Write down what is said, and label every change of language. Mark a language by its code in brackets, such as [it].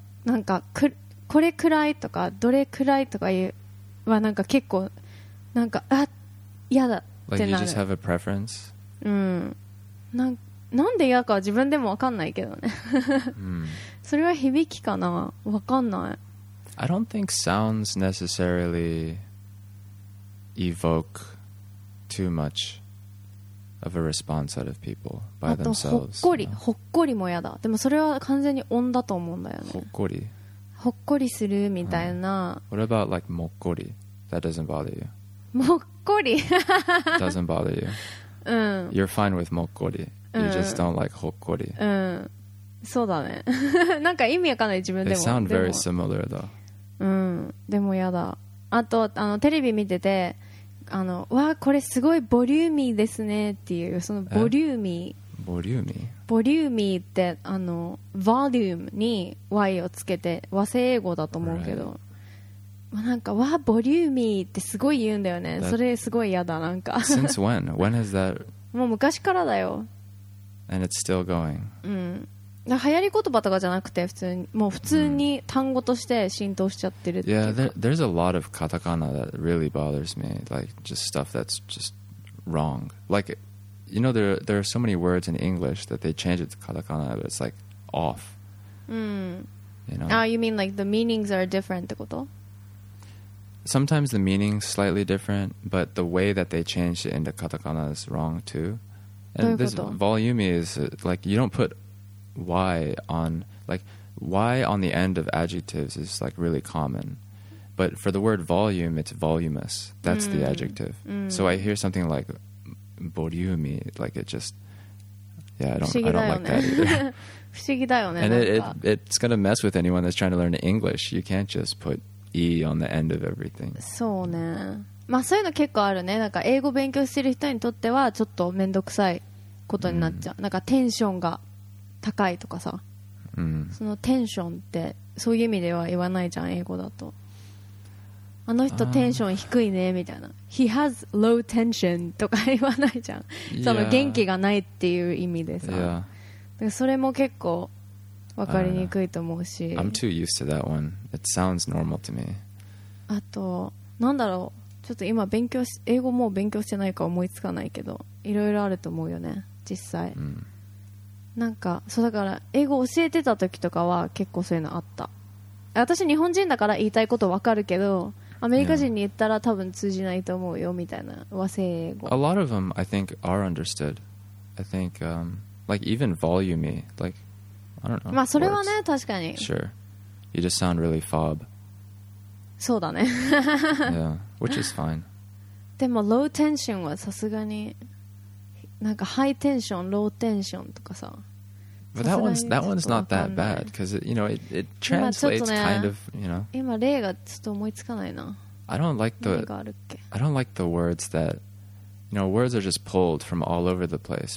[ja] なんかこれくらいとかどれくらいとか言うはなんか結構なんかあ嫌だってなる。 [en] Like you just have a preference? [ja] なんで嫌か自分でも分かんないけどね。それは響きかな、分かんない。 [en] I don't think sounds necessarily evoke too much of a response out of people by themselves. [ja] あとほっこりも嫌だ。でもそれは完全に音だと思うんだよね。ほっこりするみたいな。 [en] What about like もっこり?That doesn't bother you. [ja] もっこり? [en] Doesn't bother you. You're fine with もっこり. You just don't like ほっこり. [ja] そうだね。なんか意味わかんない自分でも。 [en] They sound very similar though. [ja] でもやだ。あとあのテレビ見てて、あのわーこれすごいボリューミーですねっていう、そのボリューミー。ボリューミー。ボリューミーってあの volume に y をつけて和製英語だと思うけど、 [en] right. [ja] まあ、なんかわボリューミーってすごい言うんだよね。 [en] That... [ja] それすごい嫌だなんか。 [en] Since when? When is that? [ja] もう昔からだよ。 [en] And it's still going. [ja] うん。流行り言葉とかじゃなくて普通にもう普通に単語として浸透しちゃってるっていうか。 [en] Yeah, there's a lot of katakana that really bothers me. Like just stuff that's just wrong. Like it. You know, there are so many words in English that they change it to katakana, but it's like off. You know? Oh, you mean like the meanings are different [ja] ってこと? [en] Sometimes the meaning's slightly different, but the way that they change it into katakana is wrong too. And どういうこと? This volume is like you don't put Y on, like Y on the end of adjectives is like really common. But for the word volume, it's voluminous. That's the adjective. So I hear something like,Volume, like it just, yeah, I don't like that either. [ja] 不思議だよね。 [en] And it's gonna mess with anyone that's trying to learn English. You can't just put e on the end of everything. [ja] そうね。まあそういうの結構あるね。なんか英語勉強してる人にとってはちょっと面倒くさいことになっちゃう。なんかテンションが高いとかさ。そのテンションってそういう意味では言わないじゃん英語だと。あの人テンション低いねみたいな、 [en] He has low tension [ja] とか言わないじゃん、 [en] yeah. [ja] その元気がないっていう意味でさ、 [en] yeah. [ja] それも結構分かりにくいと思うし、 [en] I'm too used to that one. It sounds normal to me. [ja] あとなんだろう、ちょっと今勉強し英語もう勉強してないか思いつかないけど、いろいろあると思うよね実際、 mm. なんかそうだから英語教えてた時とかは結構そういうのあった。私日本人だから言いたいことわかるけど、アメリカ人に言ったら多分通じないと思うよみたいな、和製英語。 [en] A lot of them I think are understood. I think、like even volumey, like I don't know. [ja] まあそれはね、確かに。 [en] Sure. You just sound really fob. [ja] そうだね。 [en] yeah, which is fine. [ja] でも low tension はさすがに、なんか high tension, low tension とかさ。 [en] But that one's not that bad because you know it translates、 [ja] ね、 [en] kind of you know. [ja] 今例がちょっと思いつかないな。 [en] I don't like the words that you know words are just pulled from all over the place.